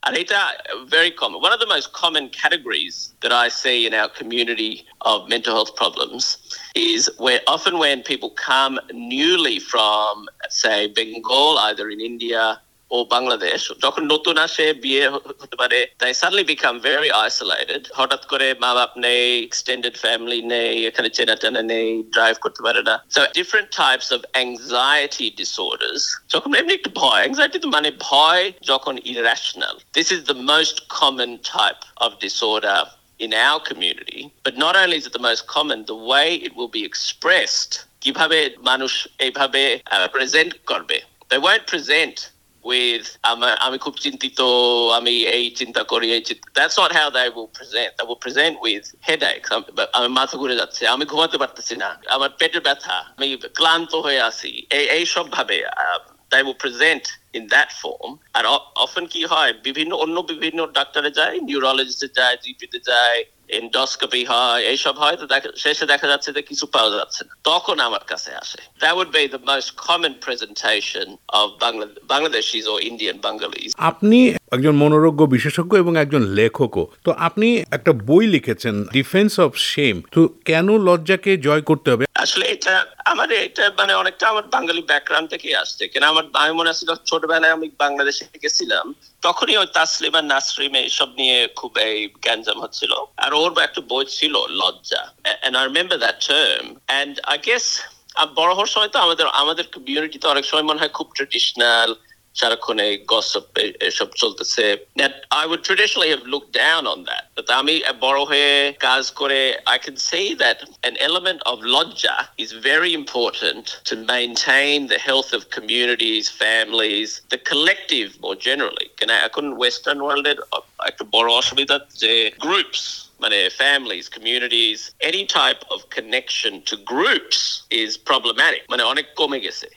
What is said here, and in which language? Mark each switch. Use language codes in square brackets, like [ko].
[en] And it's very common. One of the most common categories that I see in our community of mental health problems is where often when people come newly from, say, Bengal, either in India or Bangladesh, [bn] যখন নতুন আসে বিয়ে হতে পারে, [en] they suddenly become very isolated. [bn] হঠাৎ করে মা-বাপ নেই, extended family নেই, এখানে চেনা-টেনা নেই, drive করতে পারে না. [en] So different types of anxiety disorders. [bn] যখন এমনি একটু ভয়, anxiety তো মানে ভয় যখন irrational. [en] This is the most common type of disorder in our community. But not only is it the most common, the way it will be expressed, [bn] কিভাবে মানুষ এইভাবে present করবে, [en] they won't present with [bn] আমি খুব চিন্তিত, আমি এই চিন্তা [en] করি, এই চিন্তা, that's not how they will present. They will present with headaches, [bn] আমি মাথা ঘুরে যাচ্ছে, আমি ঘুমাতে পারতেছি না, আমার পেটের ব্যথা, আমি ক্লান্ত হয়ে আছি, এই সব ভাবে [en] they will present in that form. [bn] আর often কি হয়, বিভিন্ন অন্য বিভিন্ন ডাক্তারে যায়, নিউরোলজিস্টে যায়, জিপিতে যায়, endoscopy হয়, এইসব হয়, তো শেষে দেখা যাচ্ছে যে কিছু পাওয়া যাচ্ছে না, তখন আমার কাছে আসে। [en] That would be the most common presentation of Bangladeshis or Indian Bengalis. [bn] আপনি একজন মনোরোগ বিশেষজ্ঞ এবং একজন লেখকও, তো আপনি একটা বই লিখেছেন ডিফেন্স অফ শেম, তো কেন লজ্জাকে জয় করতে হবে? আসলে এটা আমার, এটা মানে অনেকটা আমার বাঙালি ব্যাকগ্রাউন্ড থেকে আসছে। কেন আমার, আমি মনে আছে ছোটবেলায় আমি বাংলাদেশে গেছিলাম, তখনই ওই তাসলিম আর নাসরিম এইসব নিয়ে খুব এই গ্যাঞ্জাম হচ্ছিল, আর ওর একটা বই ছিল লজ্জা, [en] and I remember that term. And I guess [bn] বড় হওয়ার সময় তো আমাদের কমিউনিটি তো অনেক সময় মনে হয় খুব ট্রেডিশনাল, সারাক্ষণ এই গসপ এসব চলতেছে। [en] I would traditionally have looked down on that, but [bn] আমি বড় হয়ে কাজ করে [en] I can see that an element of lodja is very important to maintain the health of communities, families, the collective more generally. Can I couldn't western world it [bn] একটা বড় অসুবিধা যে [en] groups, মানে families, communities, any type of connection to groups is problematic, [bn] মানে অনেক কমে গেছে।